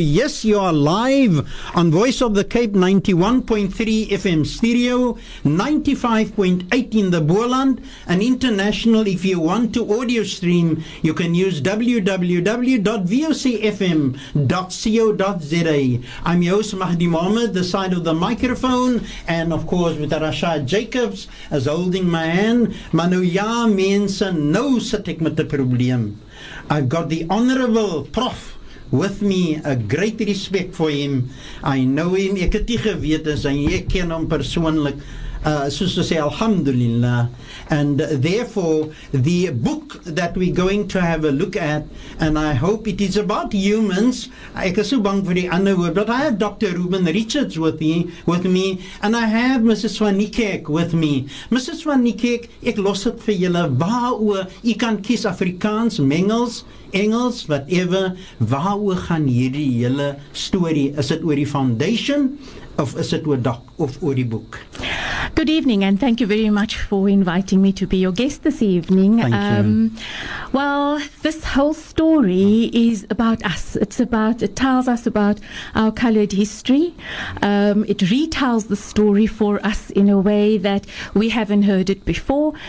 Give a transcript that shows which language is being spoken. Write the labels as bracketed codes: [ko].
[en] Yes, you are live on Voice of the Cape 91.3 FM Stereo, 95.8 in the Boerland, and international. If you want to audio stream, you can use www.vocfm.co.za. I'm your host Mahdi Mohammed, the side of the microphone, and of course with Rashad Jacobs as holding my hand. [af] Manu ya mensen, nou sit ek met 'n probleem. [en] I've got the Honourable Prof with me, a great respect for him. I know him, [af] ek het nie geweet as hy nie, ek ken hom persoonlik, soos to say, Alhamdulillah. [en] And therefore, the book that we're going to have a look at, and I hope it is about humans, [af] ek is so bang vir die ander woord, [en] but I have Dr. Reuben Richards with me, and I have Mrs. Van Niekerk with me. Mrs. [af] Van Niekerk, ek los het vir julle, waaroor, jy kan kies Afrikaans, Mengels, Engels, whatever, waaroor gaan hierdie julle story, is it oor die foundation, of is it oor doc, of oor die boek? [en] Good evening, and thank you very much for inviting me to be your guest this evening. Thank you. Well, this whole story is about us. It tells us about our coloured history. It retells the story for us in a way that we haven't heard it before.